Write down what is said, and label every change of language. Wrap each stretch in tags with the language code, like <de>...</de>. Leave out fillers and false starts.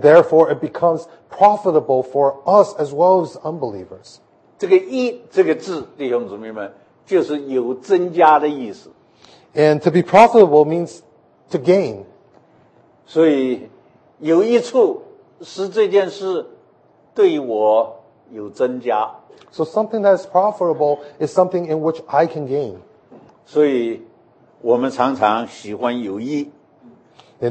<en>therefore it becomes profitable for us as well as unbelievers.</en> <zh>这个益这个字,弟兄姊妹们,就是有增加的意思。</zh> <en>And to be profitable means to gain.</en> <zh>所以有益处使这件事对我有增加。</zh> <en>So something that is profitable is something in which I can gain.</en> <zh>所以我们常常喜欢有益。</zh> <en>And</en>